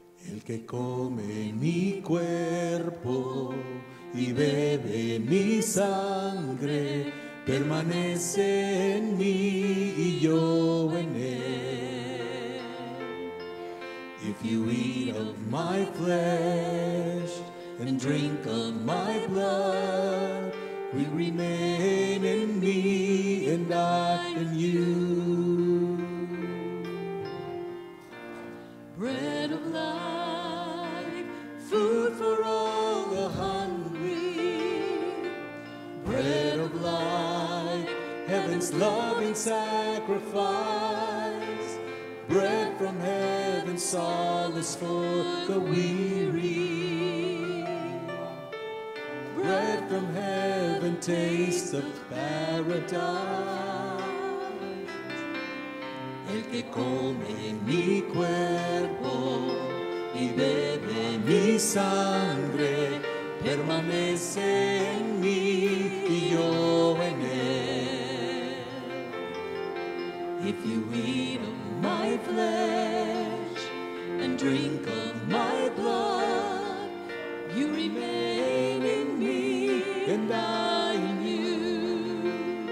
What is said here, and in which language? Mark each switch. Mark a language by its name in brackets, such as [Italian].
[Spanish] El que come mi cuerpo y bebe mi sangre permanece en mí y yo en él. [English] If you eat of my flesh and drink of my blood, we remain in me and I in you. Bread of life, food for all the hungry. Bread of life, heaven's loving sacrifice. Bread from heaven, solace for the weary. Bread from heaven, taste of paradise. [Spanish] El que come mi cuerpo y bebe mi sangre permanece en mí y yo en él. [English] If you eat of my flesh and drink of my blood, you remain in me and I in you.